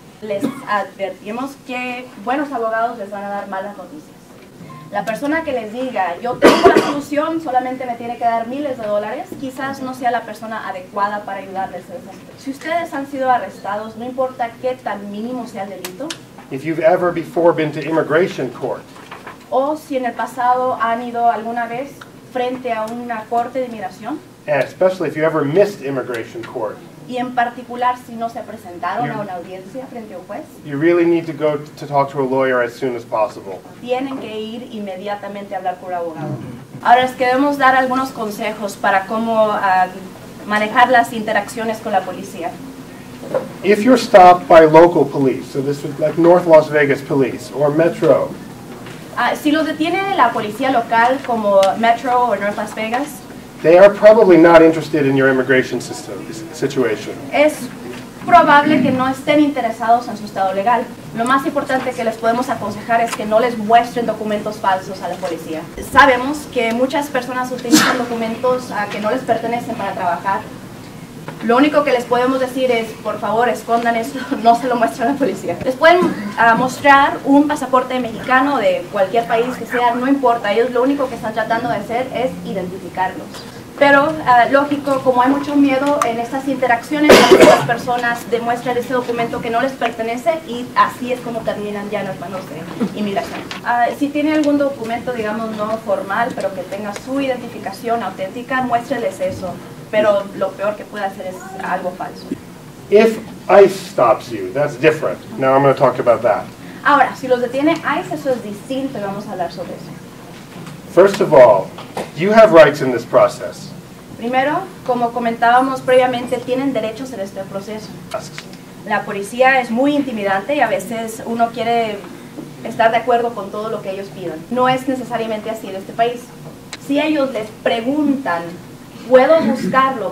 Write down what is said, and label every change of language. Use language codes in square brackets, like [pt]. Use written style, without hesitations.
[es] Les advertimos que buenos abogados les van a dar malas noticias. La persona que les diga, yo tengo la solución, solamente me tiene que dar miles de dólares, quizás no sea la persona adecuada para ayudarles. Si ustedes han sido arrestados, no importa qué tan mínimo sea el delito. [en] If you've ever before been to immigration court. [es] O si en el pasado han ido alguna vez frente a una corte de inmigración. [en] And especially if you ever missed immigration court. [es] Y en particular si no se presentaron a una audiencia frente a un juez. [en] You really need to go to talk to a lawyer as soon as possible. [es] Tienen que ir inmediatamente a hablar con un abogado. Ahora les queremos dar algunos consejos para cómo manejar las interacciones con la policía. [en] If you're stopped by local police, so this would like North Las Vegas police or Metro. [es] Si los detiene la policía local como Metro o North Las Vegas. [en] They are probably not interested in your immigration system situation. [es] Es probable que no estén interesados en su estado legal. Lo más importante que les podemos aconsejar es que no les muestren documentos falsos a la policía. Sabemos que muchas personas utilizan documentos que no les pertenecen para trabajar. Lo único que les podemos decir es, por favor, escondan eso, no se lo muestren a la policía. Les pueden mostrar un pasaporte mexicano de cualquier país que sea, no importa. Ellos lo único que están tratando de hacer es identificarlos. Pero, lógico, como hay mucho miedo en estas interacciones, las personas demuestran ese documento que no les pertenece y así es como terminan ya en las manos de inmigración. Si tiene algún documento, digamos, no formal, pero que tenga su identificación auténtica, muéstreles eso. Pero lo peor que puede hacer es algo falso. [en] If ICE stops you, that's different. Now I'm going to talk about that. [es] Ahora, si los detiene ICE, eso es distinto, vamos a hablar sobre eso. [en] First of all, you have rights in this process. [es] Primero, como comentábamos previamente, tienen derechos en este proceso. La policía es muy intimidante y a veces uno quiere estar de acuerdo con todo lo que ellos pidan. No es necesariamente así en este país. Si ellos les preguntan, ¿puedo buscarlo?